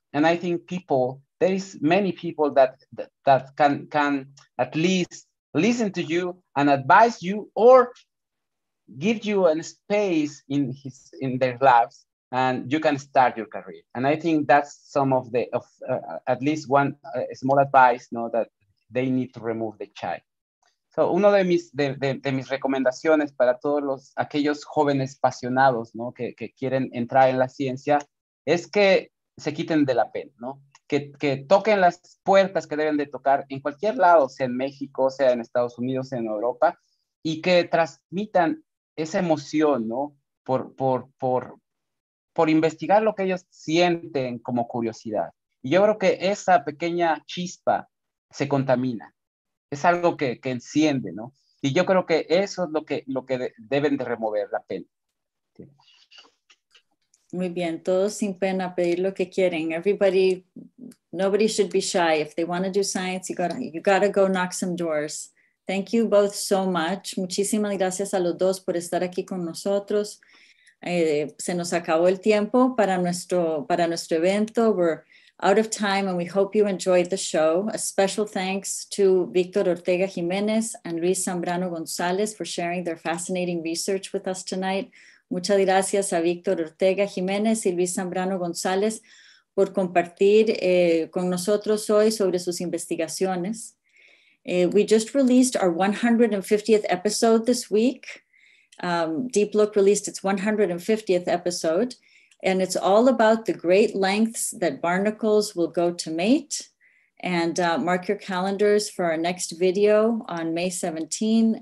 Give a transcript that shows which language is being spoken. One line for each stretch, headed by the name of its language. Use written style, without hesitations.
English: And I think people, there is many people that can at least listen to you and advise you or give you a space in their lives and you can start your career. And I think that's some of the, at least one small advice, no, that they need to remove the child.
Spanish: So uno de mis recomendaciones para todos aquellos jóvenes apasionados, no, que quieren entrar en la ciencia, es que se quiten de la pena, no? Que toquen las puertas que deben de tocar en cualquier lado, sea en México, sea en Estados Unidos, sea en Europa, y que transmitan esa emoción, ¿no? Por investigar lo que ellos sienten como curiosidad. Y yo creo que esa pequeña chispa se contamina. Es algo que enciende, ¿no? Y yo creo que eso es lo que deben de remover la pena. Muy bien, todos sin pena, pedir lo que quieren.
English: Everybody, nobody should be shy. If they want to do science, you gotta go knock some doors. Thank you both so much.
Spanish: Muchísimas gracias a los dos por estar aquí con nosotros. Se nos acabó el tiempo para nuestro evento.
English: We're out of time and we hope you enjoyed the show. A special thanks to Víctor Ortega-Jiménez and Luis Zambrano González for sharing their fascinating research with us tonight.
Spanish: Muchas gracias a Víctor Ortega Jiménez y Luis Zambrano González por compartir con nosotros hoy sobre sus investigaciones.
English: We just released our 150th episode this week. Deep Look released its 150th episode, and it's all about the great lengths that barnacles will go to mate. And mark your calendars for our next video on May 17.